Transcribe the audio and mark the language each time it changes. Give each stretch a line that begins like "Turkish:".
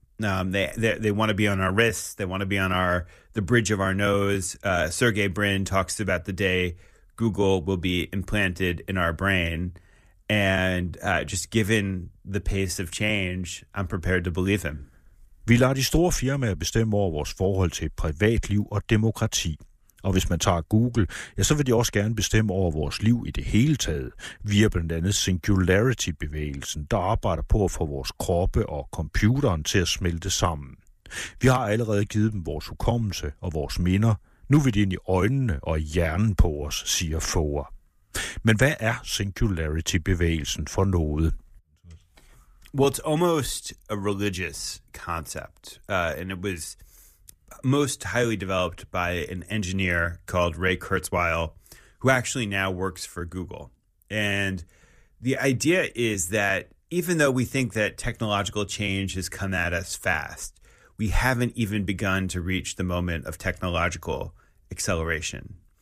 English: They want to be on our wrists. They want to be on the bridge of our nose. Sergey Brin talks about the day Google will be implanted in our brain. And just given the pace of change, I'm prepared to believe him.
Danish: Vi lader de store firmaer bestemme over vores forhold til privatliv og demokrati. Og hvis man tager Google, ja, så vil de også gerne bestemme over vores liv i det hele taget, via blandt andet Singularity-bevægelsen, der arbejder på at få vores kroppe og computeren til at smelte sammen. Vi har allerede givet dem vores hukommelse og vores minder. Nu vil de ind i øjnene og hjernen på os, siger Foer. Men hvad er Singularity-bevægelsen for noget?
English: Well, it's almost a religious concept, and it was most highly developed by an engineer called Ray Kurzweil, who actually now works for Google. And the idea is that even though we think that technological change has come at us fast, we haven't even begun to reach the moment of technological acceleration.